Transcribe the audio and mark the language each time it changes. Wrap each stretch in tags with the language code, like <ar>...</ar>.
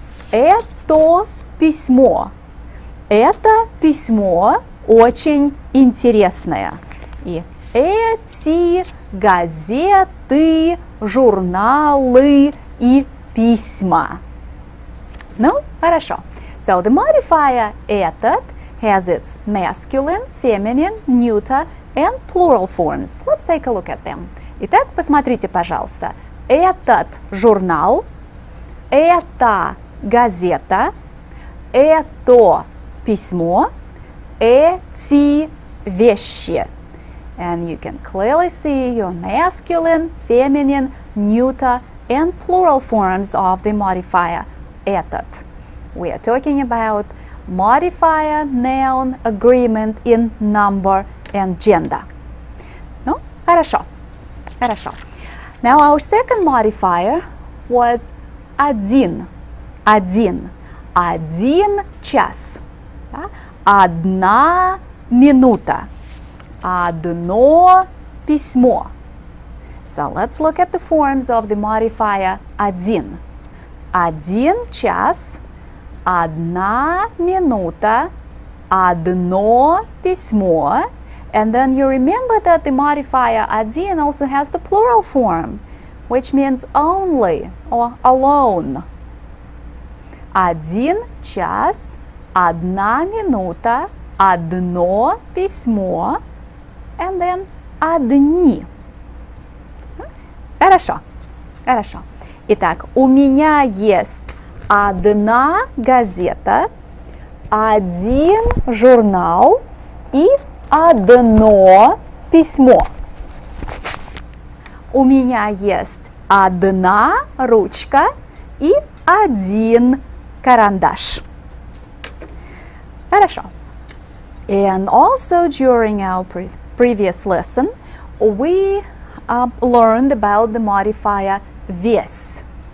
<ru>Это письмо. Это письмо очень интересное. И эти газеты, журналы и письма. Ну, хорошо.</ru> <en>So, the modifier этот has its masculine, feminine, neuter, and plural forms. Let's take a look at them.</en> <ru>Итак, посмотрите, пожалуйста. Этот журнал, эта газета, это письмо, эти вещи.</ru> <en>And you can clearly see your masculine, feminine, neuter, and plural forms of the modifier этот. We are talking about modifier, noun, agreement in number and gender.</en> <ru>Ну, хорошо. Хорошо.</ru> <en>Now, our second modifier was один. Один.</en> <ru>Один час. Да? Одна минута. Одно письмо.</ru> <en>So, let's look at the forms of the modifier один.</en> <ru>Один час. Одна минута, одно письмо.</ru> <en>And then you remember that the modifier один also has the plural form, which means only or alone.</en> <ru>Один час, одна минута, одно письмо.</ru> <en>And then</en> <ru>одни. Хорошо, хорошо. Итак, у меня есть одна газета, один журнал и одно письмо. У меня есть одна ручка и один карандаш. Хорошо.</ru> <en>And also during our previous lesson, we learned about the modifier this.</en>